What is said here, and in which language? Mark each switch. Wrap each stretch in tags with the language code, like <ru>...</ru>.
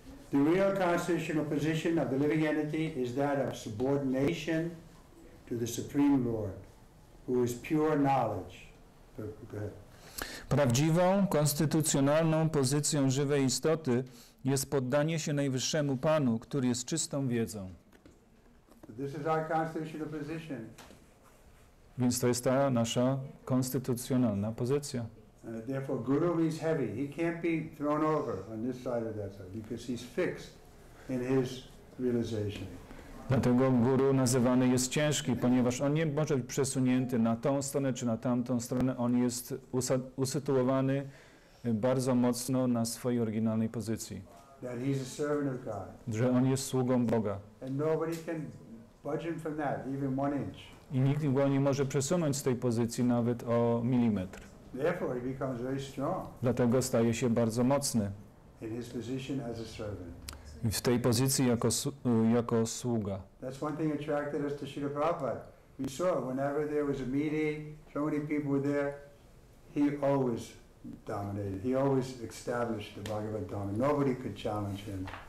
<en>The real constitutional position of the living entity is that of subordination to the Supreme Lord, who is pure knowledge.</en> <pl>Prawdziwą konstytucjonalną pozycją żywej istoty jest poddanie się najwyższemu Panu, który jest czystą wiedzą.</pl> <en>This is our constitutional position.</en> <pl>Więc to jest ta nasza konstytucjonalna pozycja.</pl> <en>Therefore, Guru is heavy. He can't be thrown over on this side or that side because he's fixed in his realization.</en> <pl>Dlatego guru nazywany jest ciężki, ponieważ on nie może być przesunięty na tą stronę czy na tamtą stronę. On jest usytuowany bardzo mocno na swojej oryginalnej pozycji.</pl> <en>That he's a servant of God.</en> <pl>Że on jest sługą Boga.</pl> <en>And nobody can budge him from that, even one inch.</en> <pl>I nikt go nie może przesunąć z tej pozycji nawet o milimetr.</pl> <en>Therefore he becomes very strong.</en> <pl>Dlatego staje się bardzo mocny.</pl> <en>In his position as a servant.</en> <pl>W tej pozycji jako sługa.</pl> <en>That's one thing attracted us to Srila Prabhupada. We saw whenever there was a meeting, so many people were there, he always dominated. He always established the Bhagavad Dharma. Nobody could challenge him.</en>